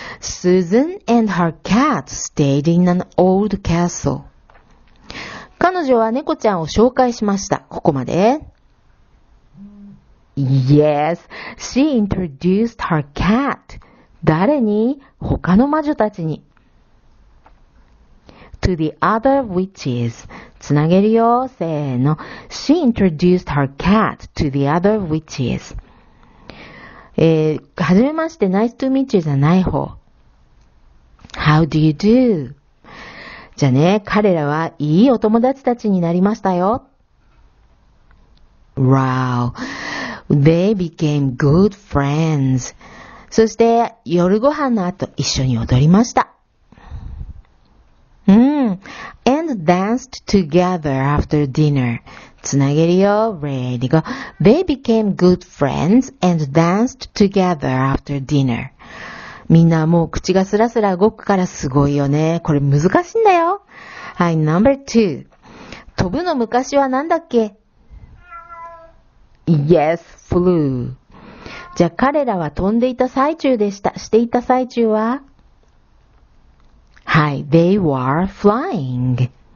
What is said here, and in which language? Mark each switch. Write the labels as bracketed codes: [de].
[en] Susan and her cat stayed in an old castle. [ja] 彼女は猫ちゃんを紹介しました。ここまで。 [en] Yes, she introduced her cat. [ja] 誰に？他の魔女たちに。 [en] To the other witches. [ja] つなげるよ。せーの。 [en] She introduced her cat to the other witches. [ja] はじめまして、 [en] nice to meet you [ja] じゃない方。 [en] How do you do? [ja] じゃあね、彼らはいいお友達たちになりましたよ。 [en] Wow, they became good friends. [ja] そして、夜ご飯の後、一緒に踊りました。 [en] And danced together after dinner. [ja] つなげるよ。 [en] Ready go. They became good friends and danced together after dinner. [ja] みんなもう口がスラスラ動くからすごいよね。これ難しいんだよ。はい、number two. 飛ぶの昔はなんだっけ？ [en] Yes, flew. [ja] じゃあ彼らは飛んでいた最中でした。していた最中は？はい、 [en] they were flying.